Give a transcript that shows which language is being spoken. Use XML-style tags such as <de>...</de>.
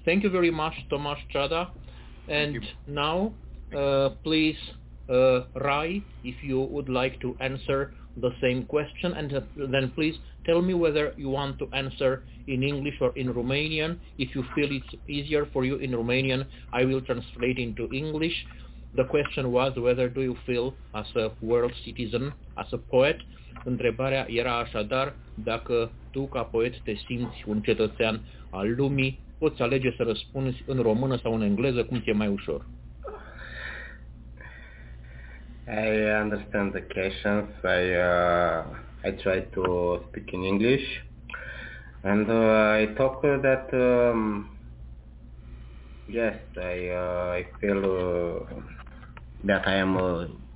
<en>Thank you very much, Tomas Cada. And now, please, Rai, if you would like to answer the same question, and then please tell me whether you want to answer in English or in Romanian. If you feel it's easier for you in Romanian, I will translate into English. The question was, whether do you feel as a world citizen, as a poet?</en> <ro>Întrebarea era așadar, dacă tu ca poet te simți un cetățean al lumii, poți alege să răspunzi în română sau în engleză, cum ți-e mai ușor?</ro> <en>I understand the questions. I try to speak in English, and I talk that yes, I feel that I am a</en>